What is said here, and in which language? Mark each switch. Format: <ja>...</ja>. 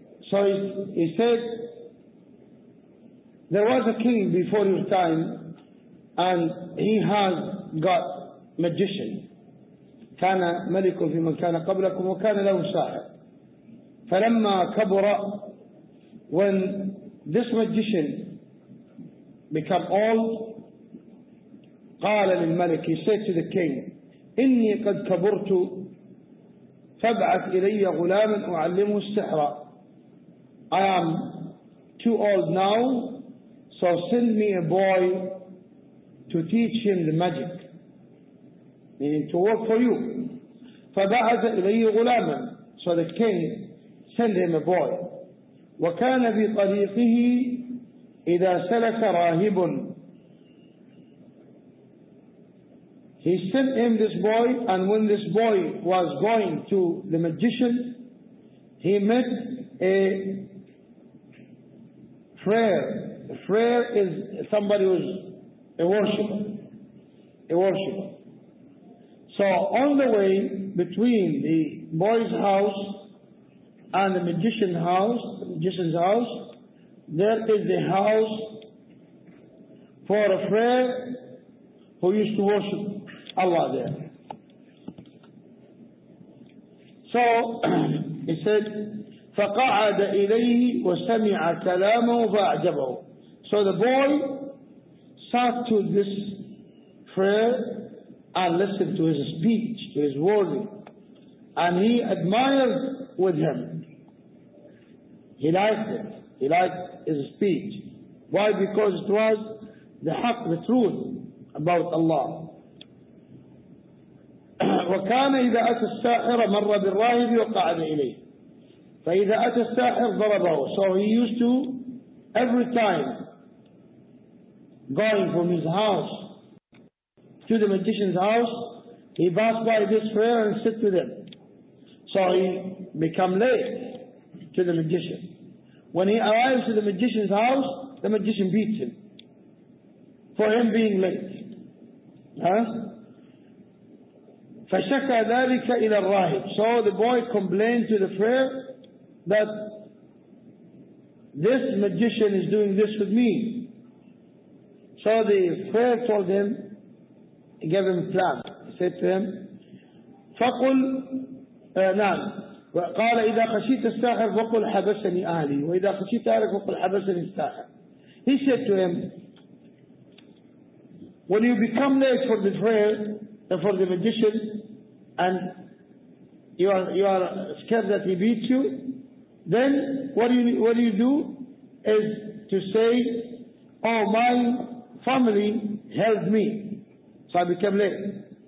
<en>So he said there was a king before your time, and he has got magician.</en> <ar>كان ملك في من كان قبلكم وكان له ساحر. فلما كبر,</ar> <en>when this magician became old,</en> <ar>قال للملك,</ar> <en>he said to the king,</en> <ar>إني قد كبرت فابعث إلي غلاما أعلمه السحر.</ar> <en>I am too old now, so send me a boy to teach him the magic, meaning to work for you.</en> <ar>فبعث إليه غلاما,</ar> <en>so the king sent him a boy.</en> <ar>وكان في طريقه إذا سلك راهب.</ar> <en>He sent him this boy, and when this boy was going to the magician, he met a friar. A friar is somebody who is a worshiper. So on the way between the boy's house and the magician's house, there is a house for a friar who used to worship Allah there. So he said,</en> <ar>فقعد إليه وسمع كلامه فأعجبه.</ar> <en>So the boy sat to this friar and listened to his speech, to his wording, and he admired with him. He liked it. He liked his speech. Why? Because it was the haqq, the truth about Allah.</en> <ar>وكان إذا أتى الساحر مر بالراهب وقعد إليه. فإذا أتى الساحر ضربه.</ar> <en>So he used to, every time, going from his house to the magician's house, he passed by this friar and sit with him. So he became late to the magician. When he arrives to the magician's house, the magician beats him for him being late.</en> <ar>فشكى ذلك إلى الراهب.</ar> <en>So the boy complained to the friar that this magician is doing this with me. So the friar told him, he gave him a plan. He said to him,</en> <ar>فقل نعم. وقال إذا خشيت الساحر فقل حبسني أهلي وإذا خشيت أهلك فقل حبسني الساحر.</ar> <en>He said to him, when you become late for the prayer, for the magician, and you are scared that he beats you, then what you do is to say, oh, my family helped me, so I became late.</en>